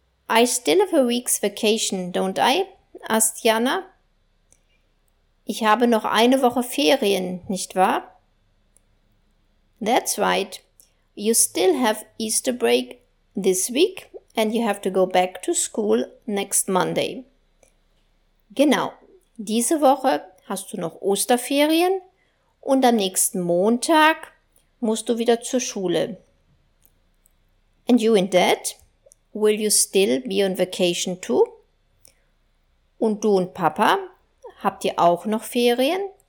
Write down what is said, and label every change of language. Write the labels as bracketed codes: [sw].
[en] I still have a week's vacation, don't I? Asked Jana. [de] Ich habe noch eine Woche Ferien, nicht wahr? [en] That's right. You still have Easter break this week and you have to go back to school next Monday. [de] Genau, diese Woche hast du noch Osterferien und am nächsten Montag musst du wieder zur Schule. [en] And you and Dad, will you still be on vacation too? [de] Und du und Papa, habt ihr auch noch Ferien?